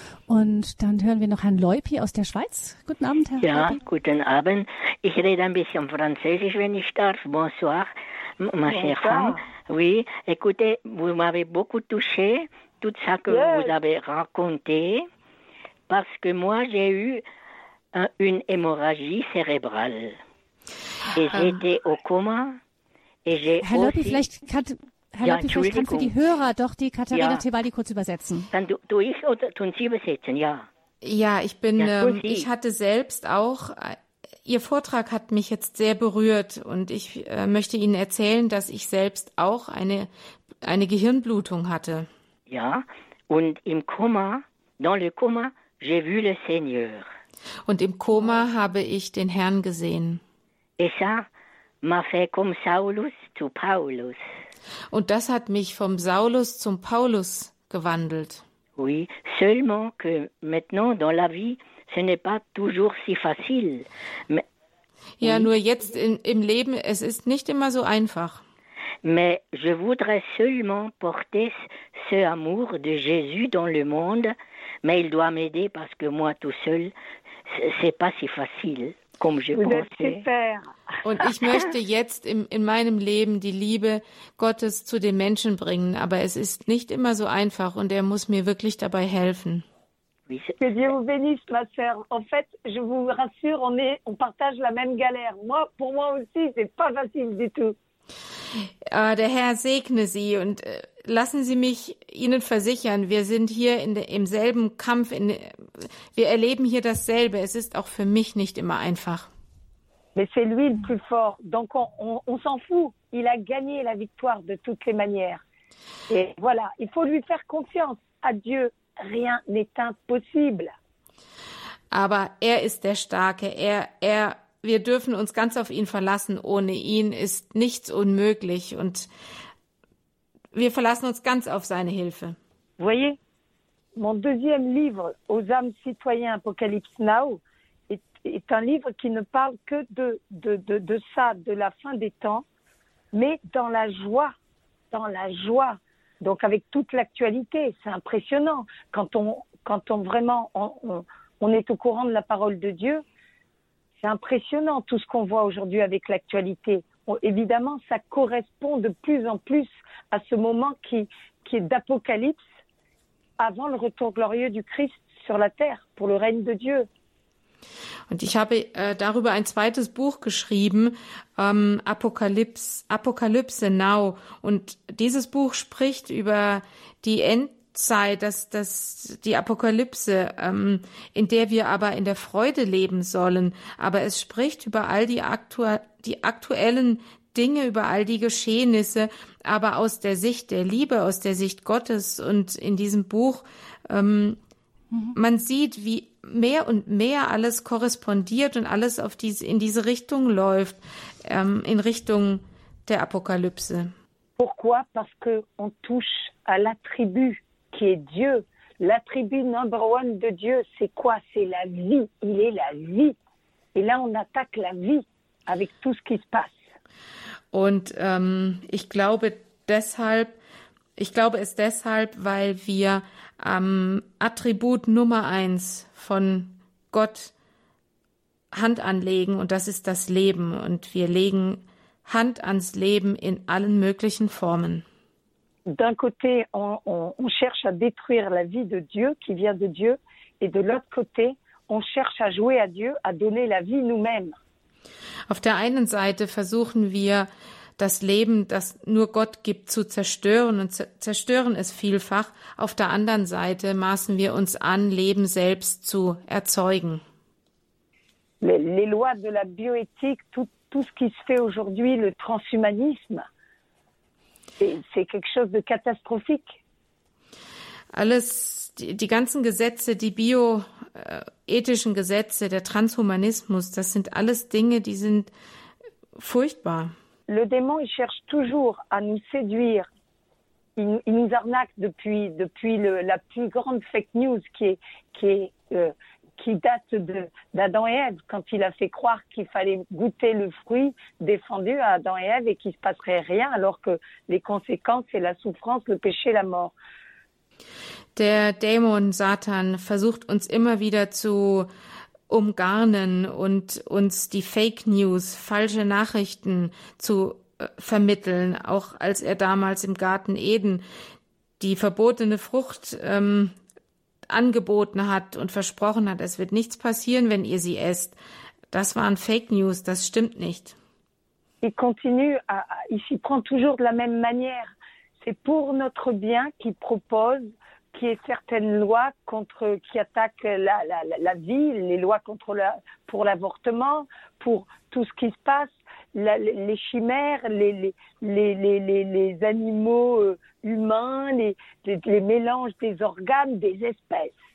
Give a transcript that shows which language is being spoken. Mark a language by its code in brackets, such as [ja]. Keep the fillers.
[de] Und dann hören wir noch Herrn Leupi aus der Schweiz. Guten Abend, Herr Ja, Leupi. guten Abend. Ich rede ein bisschen Französisch, wenn ich darf. [fr] Bonsoir, m- ma chère femme. Oui, écoutez, vous m'avez beaucoup touché, tout ça que [en] Yes. [fr] vous avez raconté, parce que moi, j'ai eu un- une hémorragie cérébrale. Et j'étais au coma. Et j'ai [de] Herr Leupi, [fr] aussi- [de] vielleicht kann, Herr Ja, Leupi, vielleicht kann für die Entschuldigung. Hörer doch die Katharina Ja. Tewali kurz übersetzen. Dann tu, tu ich oder tun Sie übersetzen, ja. Ja, ich bin, Ja, ähm, Susi. ich hatte selbst auch, äh, Ihr Vortrag hat mich jetzt sehr berührt und ich äh, möchte Ihnen erzählen, dass ich selbst auch eine, eine Gehirnblutung hatte. Ja. Und im Koma, [fr] dans le coma, j'ai vu le Seigneur. [de] Und im Koma habe ich den Herrn gesehen. [fr] Et ça m'a fait comme Saulus zu Paulus. [de] Und das hat mich vom Saulus zum Paulus gewandelt. [fr] Oui, seulement que maintenant dans la vie, ce n'est pas toujours si facile. Mais, [de] Ja, nur jetzt in, im Leben, es ist nicht immer so einfach. [fr] mais je voudrais seulement porter ce- ce amour de Jésus dans le monde, mais il doit m'aider parce que moi tout seul, c'est- c'est pas si facile comme je Vous êtes pensais. super. [de] Und ich möchte jetzt im, in meinem Leben die Liebe Gottes zu den Menschen bringen, aber es ist nicht immer so einfach und er muss mir wirklich dabei helfen. [fr] Oui, c'est- Que Dieu vous bénisse, ma sœur. En fait, je vous rassure, on est, on partage la même galère. Moi, pour moi aussi, c'est pas facile du tout. [de] Äh, der Herr segne Sie und äh, lassen Sie mich Ihnen versichern, wir sind hier in der- im selben Kampf, in, wir erleben hier dasselbe. Es ist auch für mich nicht immer einfach. [fr] Mais c'est lui le plus fort. Donc on, on- on s'en fout. Il a gagné la victoire de toutes les manières. Et voilà, il faut lui faire confiance. À Dieu, rien n'est impossible. [de] Aber er ist der Starke. Er, er, wir dürfen uns ganz auf ihn verlassen. Ohne ihn ist nichts unmöglich und wir verlassen uns ganz auf seine Hilfe. [fr] Vous voyez, mon deuxième livre, Aux âmes citoyens Apocalypse Now, est, est un livre qui ne parle que de, de, de, de ça, de la fin des temps, mais dans la joie, dans la joie. Donc avec toute l'actualité, c'est impressionnant. Quand on, quand on vraiment, on, on, on est au courant de la parole de Dieu, c'est impressionnant tout ce qu'on voit aujourd'hui avec l'actualité. On- Évidemment, ça correspond de plus en plus à ce moment qui, qui est d'apocalypse avant le retour glorieux du Christ sur la terre pour le règne de Dieu. [de] Und ich habe äh, darüber ein zweites Buch geschrieben, ähm, Apokalypse, Apokalypse Now. Und dieses Buch spricht über die Endzeit, dass das die Apokalypse, ähm, in der wir aber in der Freude leben sollen. Aber es spricht über all die, aktua die aktuellen Dinge, über all die Geschehnisse, aber aus der Sicht der Liebe, aus der Sicht Gottes. Und in diesem Buch ähm, man sieht, wie mehr und mehr alles korrespondiert und alles auf diese, in diese Richtung läuft, ähm, in Richtung der Apokalypse. [fr] Pourquoi Parce que on touche à l'attribut qui est Dieu. L'attribut [en] number one [fr] de Dieu, c'est quoi C'est la vie. Il est la vie. Et là, on attaque la vie avec tout ce qui se passe. [de] Und ähm, ich glaube deshalb, ich glaube es deshalb, weil wir am Attribut Nummer eins von Gott Hand anlegen und das ist das Leben. Und wir legen Hand ans Leben in allen möglichen Formen. [fr] D'un côté, on, on- on cherche à détruire la vie de Dieu qui vient de Dieu, et de l'autre côté, on cherche à jouer à Dieu, à donner la vie nous-mêmes. [de] Auf der einen Seite versuchen wir das Leben, das nur Gott gibt, zu zerstören und zerstören es vielfach. Auf der anderen Seite maßen wir uns an, Leben selbst zu erzeugen. [fr] Les, les lois de la bioéthique, tout, tout ce qui se fait aujourd'hui, le transhumanisme, c'est c'est quelque chose de catastrophique. [de] Alles, die, die ganzen Gesetze, die bioethischen Gesetze, der Transhumanismus, das sind alles Dinge, die sind furchtbar. [fr] Le démon, il cherche toujours à nous séduire. Il, il nous arnaque depuis, depuis le- la plus grande fake news qui, est, qui, est, euh, qui date de- d'Adam et Ève, quand il a fait croire qu'il fallait goûter le fruit défendu à Adam et Ève et qu'il ne se passerait rien, alors que les conséquences, c'est la souffrance, le péché, la mort. [de] Der Dämon Satan versucht uns immer wieder zu umgarnen und uns die Fake News, falsche Nachrichten zu äh, vermitteln, auch als er damals im Garten Eden die verbotene Frucht ähm, angeboten hat und versprochen hat, es wird nichts passieren, wenn ihr sie esst. Das waren Fake News, das stimmt nicht. [fr] il continue à, à- il s'y prend toujours de la même manière. C'est pour notre bien qu'il propose qu'il y ait certaines lois contre, qui attaquent la, la, la- la vie, les lois contre la, pour l'avortement, pour tout ce qui se passe, la- les les chimères, les, les, les, les, les- les animaux euh, humains, les, les, les mélanges des organes, des espèces.